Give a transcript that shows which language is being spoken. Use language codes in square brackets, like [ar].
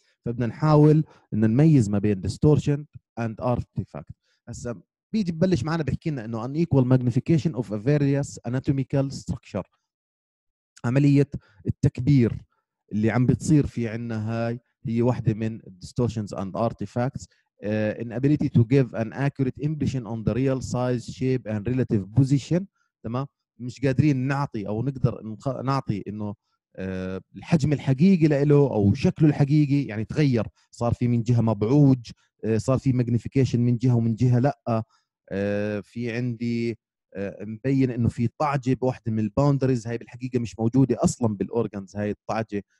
[ar] فبدنا نحاول ان نميز ما بين [en] distortion and artifact. [ar] هسه بيجي ببلش معنا بحكي لنا انه [en] unequal magnification of a various anatomical structure، [ar] عملية التكبير اللي عم بتصير في عنا هاي هي واحدة من [en] distortions and artifacts. Inability to give an accurate impression on the real size, shape and relative position. [ar] تمام؟ مش قادرين نعطي او نقدر نعطي انه الحجم الحقيقي لإله او شكله الحقيقي، يعني تغير، صار في من جهة مبعوج، صار في magnification من جهة ومن جهة لا، في عندي مبين انه في طعجة بواحدة من الباوندريز، هاي بالحقيقة مش موجودة اصلا بالأورغانز هاي الطعجة.